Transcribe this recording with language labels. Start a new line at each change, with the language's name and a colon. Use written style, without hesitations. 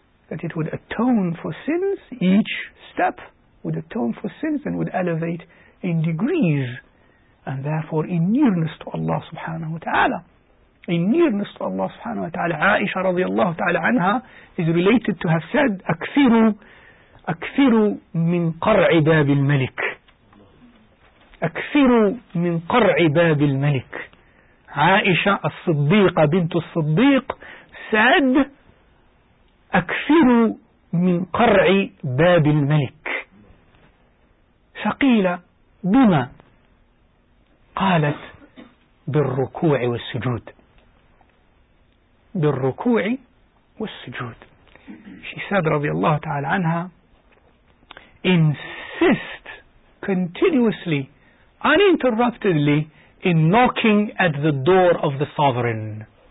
English: that it would atone for sins, each step would atone for sins and would elevate in degrees, and therefore in nearness to Allah subhanahu wa ta'ala. In nearness to Allah subhanahu wa ta'ala, Aisha radiallahu ta'ala anha is related to have said,
Arabic: أكثروا أكثروا من قرع باب الملك. أكثروا من قرع باب الملك. Aisha الصديقة بنت الصديق said, أكثروا من قرع باب الملك. فقيل بما؟ قالت بالركوع والسجود. بالركوع والسجود.
English: She said رضي الله تعالى عنها, insist continuously, uninterruptedly, in knocking at the door of the sovereign.